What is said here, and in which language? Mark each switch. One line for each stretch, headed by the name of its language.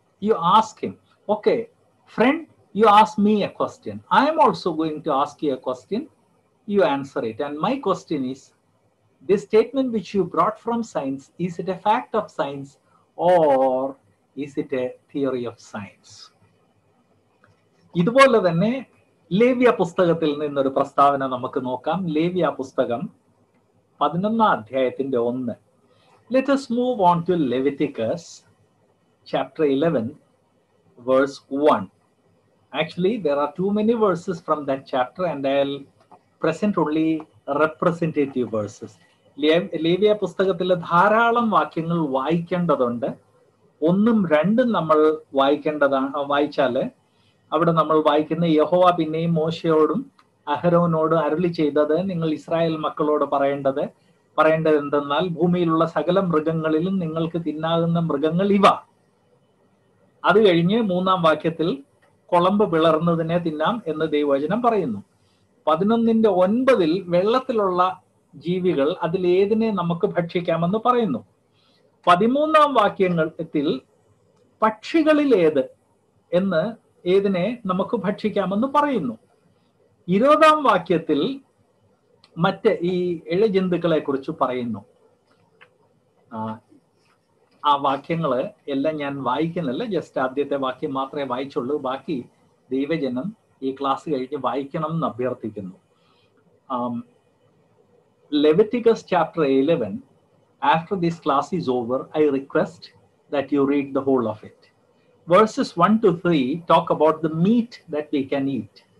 English: You ask him, okay, friend, you ask me a question. I am also going to ask you a question. You answer it. And my question is, this statement which you brought from science, is it a fact of science or is it a theory of science?
Malayalam: ഇതുപോലെ തന്നെ ലേവ്യ പുസ്തകത്തിൽ നിന്നൊരു പ്രസ്താവന നമുക്ക് നോക്കാം. ലേവ്യ പുസ്തകം 11:1.
English: Let us move on to Leviticus chapter 11 verse 1. Actually, there are too many verses from that chapter, and I'll present only representative verses.
Malayalam: ലേവ്യ പുസ്തകത്തിൽ ധാരാളം വാക്യങ്ങൾ വായിക്കേണ്ടതുണ്ട്. ഒന്നും രണ്ടും നമ്മൾ വായിക്കേണ്ടതാണ്. വായിച്ചാല് അവിടെ നമ്മൾ വായിക്കുന്ന യഹോവ പിന്നെയും മോശയോടും അഹരോനോടും അരുളി ചെയ്തത് നിങ്ങൾ ഇസ്രായേൽ മക്കളോട് പറയേണ്ടത് എന്തെന്നാൽ ഭൂമിയിലുള്ള സകല മൃഗങ്ങളിലും നിങ്ങൾക്ക് തിന്നാകുന്ന മൃഗങ്ങൾ ഇവ. അത് കഴിഞ്ഞ് മൂന്നാം വാക്യത്തിൽ കുളമ്പ് പിളർന്നതിനെ തിന്നാം എന്ന് ദൈവവചനം പറയുന്നു. 11:9 വെള്ളത്തിലുള്ള ജീവികൾ അതിൽ ഏതിനെ നമുക്ക് ഭക്ഷിക്കാമെന്ന് പറയുന്നു. 13 പക്ഷികളിൽ ഏത് എന്ന് ഏതിനെ നമുക്ക് ഭക്ഷിക്കാമെന്ന് പറയുന്നു. 20 മറ്റ് ഈ ഇഴജന്തുക്കളെ കുറിച്ച് പറയുന്നു. ആ വാക്യങ്ങള് എല്ലാം ഞാൻ വായിക്കുന്നില്ല, ജസ്റ്റ് ആദ്യത്തെ വാക്യം മാത്രമേ വായിച്ചുള്ളൂ. ബാക്കി ദൈവജനം ഈ ക്ലാസ് കഴിഞ്ഞ് വായിക്കണം എന്ന് അഭ്യർത്ഥിക്കുന്നു.
English: Leviticus chapter 11, after this class is over, I request that you read the whole of it. Verses 1 to 3 talk about the meat that we can eat.